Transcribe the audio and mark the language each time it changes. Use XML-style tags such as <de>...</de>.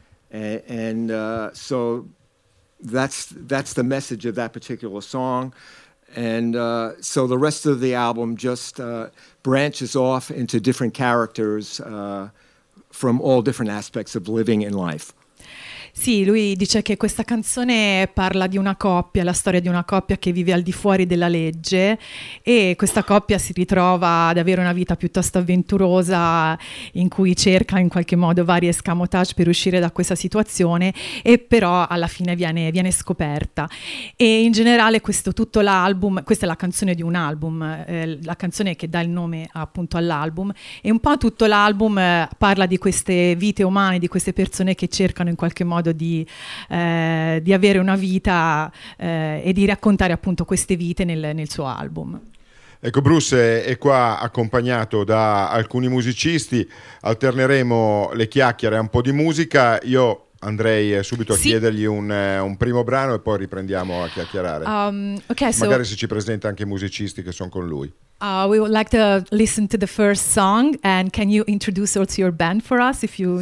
<en>And so that's the message of that particular song. And so the rest of the album just branches off into different characters from all different aspects of living in life.</en> <it>Sì, lui dice che questa canzone parla di una coppia, la storia di una coppia che vive al di fuori della legge, e questa coppia si ritrova ad avere una vita piuttosto avventurosa, in cui cerca in qualche modo vari escamotage per uscire da questa situazione, e però alla fine viene scoperta. E in generale questo tutto l'album, questa è la canzone di un album, la canzone che dà il nome appunto all'album, e un po' tutto l'album parla di queste vite umane, di queste persone che cercano in qualche modo di avere una vita e di raccontare appunto queste vite nel suo album. Ecco, Bruce è qua accompagnato da alcuni musicisti, alterneremo le chiacchiere a un po' di musica. Io andrei subito a chiedergli un primo brano e poi riprendiamo a chiacchierare.</it> <en>Okay,</en> <it>magari se ci presenta anche i musicisti che sono con lui.</it> <en>We would like to listen to the first song, and can you introduce also your band for us if you</en>